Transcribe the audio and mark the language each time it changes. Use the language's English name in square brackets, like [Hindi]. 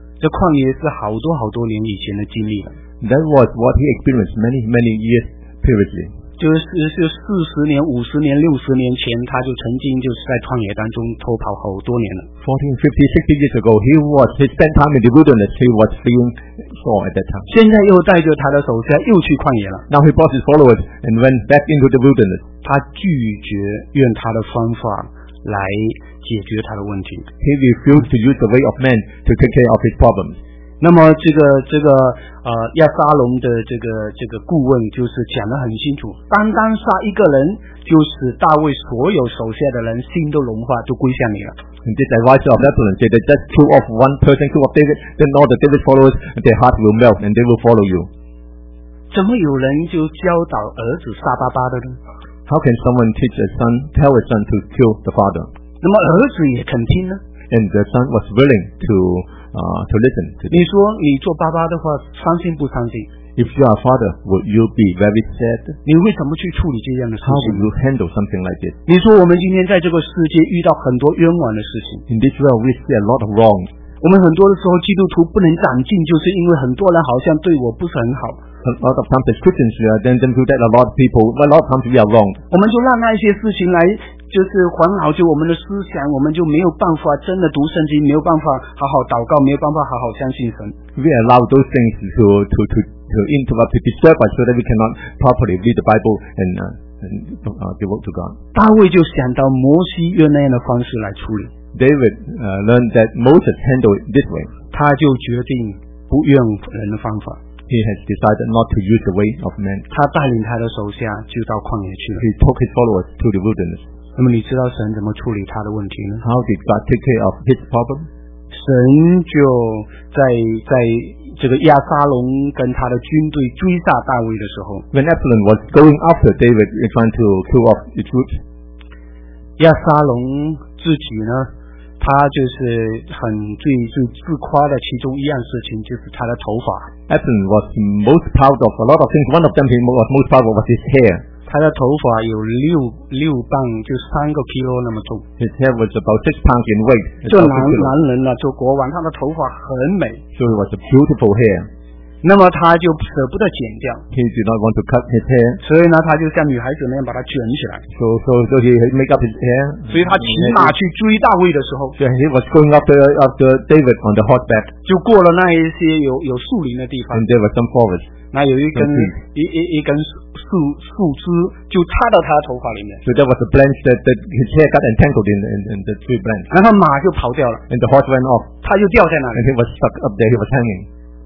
[Chinese] 这旷野是好多好多年以前的经历了。 [English] That was what he experienced many, many years previously. [Chinese] 就四十年、五十年、六十年前，他就曾经就是在旷野当中偷跑好多年了。 [English] 40, 50, 60 years ago, he spent time in the wilderness. He was being sought at that time. [Chinese] 现在又带着他的手下又去旷野了。 [English] Now he brought his followers and went back into the wilderness. [Chinese] 他拒绝用他的方法来解决他的问题。 [English] He refused to use the way of man to take care of his problems. [Chinese] 那么这个亚撒龙的这个顾问就是讲得很清楚，单单杀一个人，就使大卫所有手下的人心都融化，都归向你了。 [English] This advice of Absalom said that just kill off one person, kill off David, then all the David followers, their heart will melt and they will follow you. [Chinese] 怎么有人就教导儿子杀爸爸的呢？ [English] How can someone teach a son, tell a son to kill the father? [Chinese] 那么儿子也肯听呢？ [English] And the son was willing to. To listen to them. [Chinese] 你说你做爸爸的话伤心不伤心？ [English] If you are a father, would you be very sad? [Chinese] 你为什么去处理这样的事情？ [English] How would you handle something like this? [Chinese] 你说我们今天在这个世界遇到很多冤枉的事情。 [English] In this world, we see a lot of wrongs. [Chinese] 我们很多的时候基督徒不能长进，就是因为很多人好像对我不是很好。 [English] A lot of times as Christians, we are then do that a lot of people, a lot of times we are wrong. [Chinese] 我们就让那些事情来就是环绕着我们的思想，我们就没有办法真的读圣经，没有办法好好祷告，没有办法好好相信神。 [English] We allow those things to interrupt, to disturb us, so that we cannot properly read the Bible and devote to God. [Chinese] 大卫就想到摩西用那样的方式来处理。 [English] David learned that Moses handled it this way. [Chinese] 他就决定不用人的方法。 [English] He has decided not to use the way of man. [Chinese] 他带领他的手下就到旷野去了。 [English] He took his followers to the wilderness. [Chinese] 那么你知道神怎么处理他的问题呢？ [English] How did God take care of his problem? [Chinese] 神就在这个亚撒龙跟他的军队追杀大卫的时候， [English] When Absalom was going after David trying to kill off his troops, [Chinese] 亚撒龙自己呢，他就是很最自夸的其中一样事情，就是他的头发。 [English] Absalom was most proud of a lot of things. One of them he was most proud of was his hair. [Chinese] 他的头发有六磅，就三个 kilo 那么重。 [English] His hair was about 6 pounds in weight. [Chinese] 就男人了，就国王，他的头发很美。 [English] So it was a beautiful hair. [Chinese] 那么他就舍不得剪掉。 [English] He did not want to cut his hair. [Chinese] 所以呢，他就像女孩子那样把它卷起来。 [English] So he make up his hair. [Chinese] 所以他骑马去追大卫的时候。 [English] So he was going after David on the horseback. [Chinese] 就过了那一些有树林的地方。 [English] And there were some forests. [Chinese] 那有一根树枝就插到他的头发里面。 [English] So there was a branch that his hair got entangled in the tree branch. [Chinese] 然后马就跑掉了。 [English] And the horse ran off. [Chinese] 他就掉在那里。 [English] And he was stuck up there. He was hanging.